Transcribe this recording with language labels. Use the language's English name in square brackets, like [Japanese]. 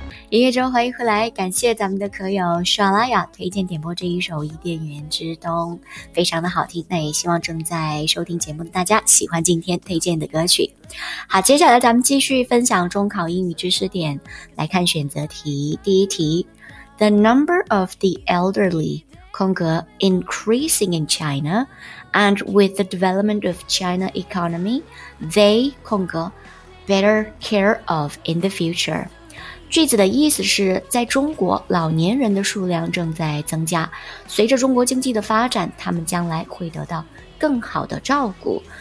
[Chinese] 音乐中欢迎回来，感谢咱们的可友 Shalaya 推荐点播这一首《伊甸园之东》，非常的好听，那也希望正在收听节目的大家喜欢今天推荐的歌曲。好，接下来咱们继续分享中考英语知识点，来看选择题。第一题， [English] The number of the elderly increasing in China and with the development of China economy, they better care of in the future。 [Chinese] 句子的意思是，在中国，老年人的数量正在增加，随着中国经济的发展，他们将来会得到更好的照顾。